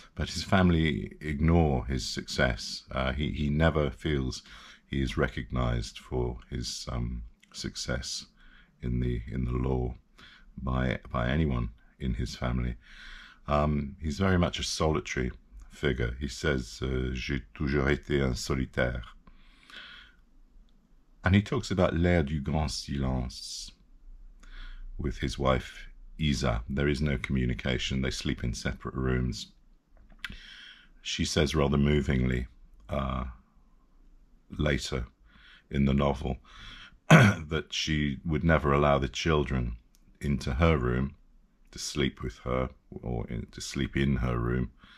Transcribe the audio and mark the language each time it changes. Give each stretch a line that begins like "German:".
English: But his family ignore his success. He never feels he is recognized for his success in the law by anyone in his family. He's very much a solitary figure. He says,
French: j'ai toujours été un solitaire.
English: And he talks about
French: l'air du grand silence
English: with his wife, Isa. There is no communication. They sleep in separate rooms. She says rather movingly, later in the novel, that she would never allow the children into her room to sleep with her, or to sleep in her room,